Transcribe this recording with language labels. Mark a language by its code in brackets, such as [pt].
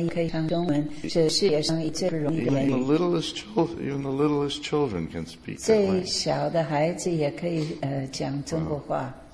[zh] 连青年人就长大在这里，他们也可以唱中文，是世界上最不容易的。 [en] Even the littlest children, even the littlest children can speak. [zh] 最小的孩子也可以讲中国话。